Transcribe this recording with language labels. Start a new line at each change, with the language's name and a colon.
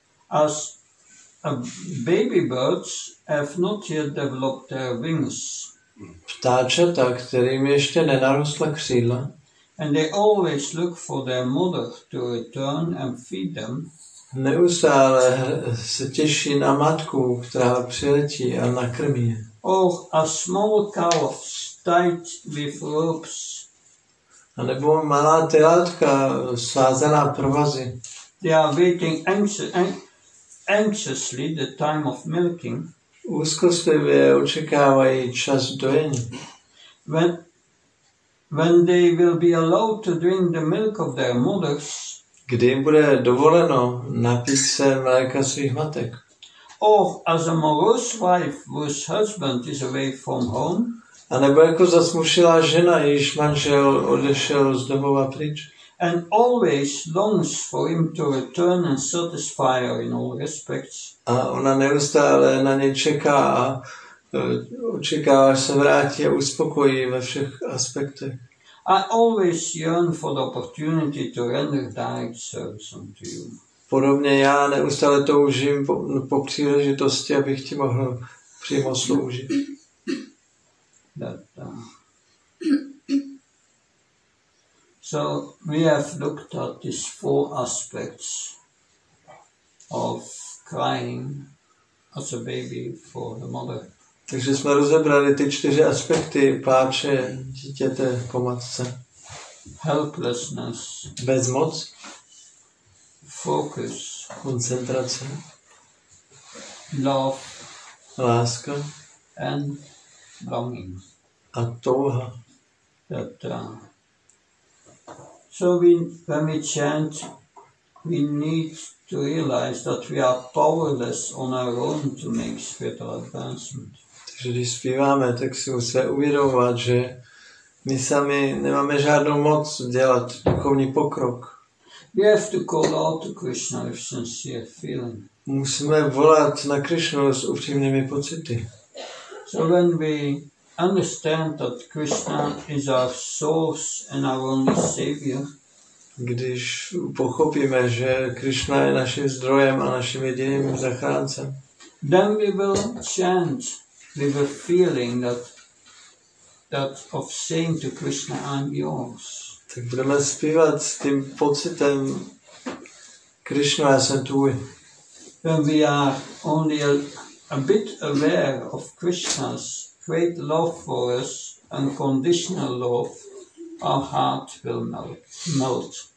English: As baby birds have not yet developed their wings.
Czech: Ptáčata, kterým ještě nenarostla křídla.
English: And they always look for their mother to return and feed them.
Czech: Neustále se těší na matku, která přiletí a nakrmí.
English: Oh, a small calves tied with ropes.
Czech: A nebo malá telátka svázaná provazy.
English: They are waiting anxiously the time of milking.
Czech: Úzkostlivě očekávají čas dojení.
English: When they will be allowed to drink the milk of their mothers.
Czech: Kdy jim bude dovoleno napít se mléka svých matek?
English: Oh, as a morose wife whose husband is away from home.
Czech: A nebo jako zasmušilá žena, jejíž manžel odešel z domova pryč.
English: And always longs for him to return and satisfy her in all respects.
Czech: A ona neustále na něj čeká a očekává, až se vrátí a uspokojí ve všech aspektech.
English: I always yearn for the opportunity to render direct service unto you.
Czech: Podobně já neustále toužím po příležitosti, abych ti mohl přímo sloužit.
English: So we have looked at these four aspects of crying as a baby for the mother.
Czech: Takže jsme rozebrali ty čtyři aspekty pláče dítěte po matce.
English: Helplessness.
Czech: Bezmoc.
English: Focus.
Czech: Koncentrace.
English: Love.
Czech: Láska.
English: And longing.
Czech: A touha.
English: That, so we, when we chant, we need to realize that we are powerless on our own to make spiritual advancement.
Czech: Takže když zpíváme, tak si musíme uvědomovat, že my sami nemáme žádnou moc dělat duchovní pokrok.
English: We have to call out to Krishna with sincere feeling.
Czech: Musíme volat na Krishnu s upřímnými pocity.
English: So when we understand that Krishna is our source and our only savior.
Czech: Když pochopíme, že Krishna je naším zdrojem a naším jediným zachráncem.
English: Then we will chant with a feeling that of saying to Krishna, I'm yours.
Czech: Tak budeme zpívat s tím pocitem, Krishna, já jsem tvůj.
English: When we are only a bit aware of Krishna's great love for us, unconditional love, our heart will melt.